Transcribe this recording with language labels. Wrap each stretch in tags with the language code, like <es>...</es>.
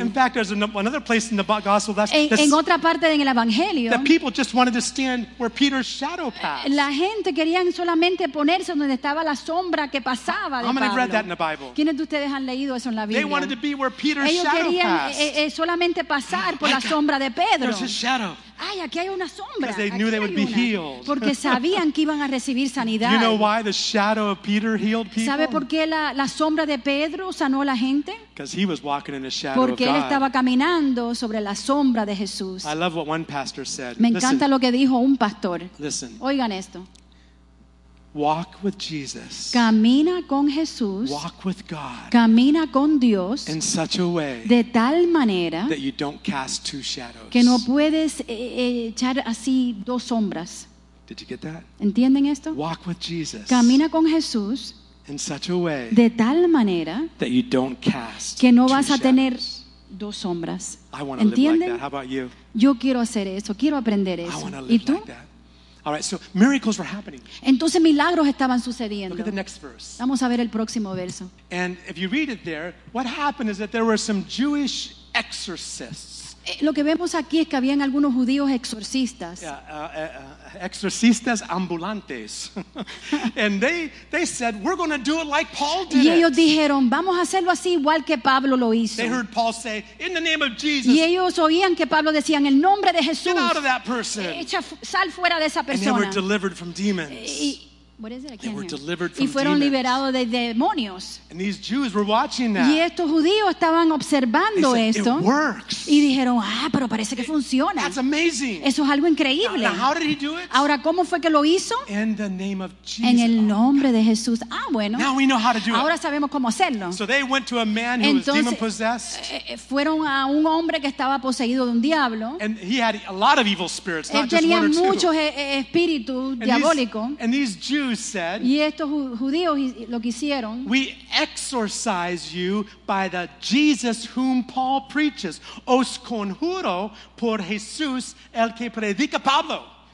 <en>In fact, there's another place in the gospel that's</en> <es>en otra parte en el evangelio.</es> <en>The people just wanted to stand where Peter's shadow passed.</en> <es>La gente querían solamente ponerse donde estaba la sombra que pasaba de Pablo.</es> <en>How many read that in the Bible?</en> <es>¿Quiénes de ustedes han leído eso en la Biblia?</es> <en>They wanted to be where Peter's</en> <es>ellos</es> <en>shadow</en> <es>querían,</es> <en>passed.</en> <es>Querían solamente pasar por la sombra de Pedro.</es> <en>There's his shadow.</en> <es>Ay, aquí hay una sombra.</es> <en>Because they knew they would be</en> <es>una</es> <en>healed.</en> <es>Porque sabían que iban a recibir sanidad.</es> <en>You know why the shadow of Peter healed people?</en> <es>¿Sabe por qué la sombra de Pedro sanó a la gente?</es> <en>Because he was walking in the shadow</en> <es>porque</es> <en>of God.</en> <es>Él estaba caminando sobre la sombra de Jesús.</es> <en>I love what one pastor said.</en> <es>Me encanta</es> <en>listen,</en> <es>lo que dijo un pastor.</es> <en>Listen.</en> <es>Oigan esto.</es> <en>Walk with Jesus.</en> <es>Camina con Jesús.</es> <en>Walk with God.</en> <es>Camina con Dios.</es> <en>In such a way.</en> <es>De tal manera.</es> <en>That you don't cast two shadows.</en> <es>Que no puedes echar así dos sombras.</es> <en>Did you get that?</en> <es>¿Entienden esto?</es> <en>Walk with Jesus.</en> <es>Camina con Jesús.</es> <en>In such a way.</en> <es>De tal manera.</es> <en>That you don't cast.</en> <es>Que no</es> <en>two</en> <es>vas a</es> <en>shadows.</en> <es>Tener dos sombras.</es> <en>I want to</en> <es>¿Entienden?</es> <en>Live like that. How about you?</en> <es>Yo quiero hacer eso. Quiero aprender eso.</es> <en>I want to live like that. All right, so miracles were happening.</en> <es>Entonces milagros estaban sucediendo.</es> <en>Look at the next verse.</en> <es>Vamos a ver el próximo verso.</es> <en>And if you read it there, what happened is that there were some Jewish exorcists.</en> <es>Lo que vemos aquí es que habían algunos judíos exorcistas. Exorcistas ambulantes.</es> <en>And they said, we're going to do it like Paul did.</en> <es>Y ellos dijeron, vamos a hacerlo así igual que Pablo lo hizo.</es> <en>They heard Paul say, in the name of Jesus.</en> <es>Y ellos oían que Pablo decía, en el nombre de Jesús.</es> <en>Get out of that person.</en> <es>Sal fuera de esa persona.</es> <en>And they were delivered from demons. What is it? They were</en> <es>y fueron liberados de demonios.</es> <en>And these Jews were watching that.</en> <es>Y estos judíos estaban observando</es> <en>said,</en> <es>esto.</es> <en>It works.</en> <es>Y dijeron, pero parece que funciona.</es> <en>That's amazing.</en> <es>Eso es algo increíble.</es> <en>Now, how did he do it?</en> <es>Ahora, ¿cómo fue que lo hizo?</es> <en>In the name of Jesus.</en> <es>En el nombre de Jesús. Ah, bueno.</es> <en>Now we know how to do</en> <es>ahora</es> <en>it.</en> <es>Sabemos cómo hacerlo.</es> <en>So they went to a man who</en> <es>entonces,</es> <en>was demon possessed.</en> <es>Fueron a un hombre que estaba poseído de un diablo.</es> <en>And he had a lot of evil spirits,</en> <es>él</es> <en>not just one or two.</en> <es>Tenía muchos espíritus diabólicos.</es> <en>And these Jews said,</en> <es>y estos judíos lo que hicieron,</es> <en>we exorcise you by the Jesus whom Paul preaches.</en> <es>Os conjuro por Jesús el que predica Pablo.</es>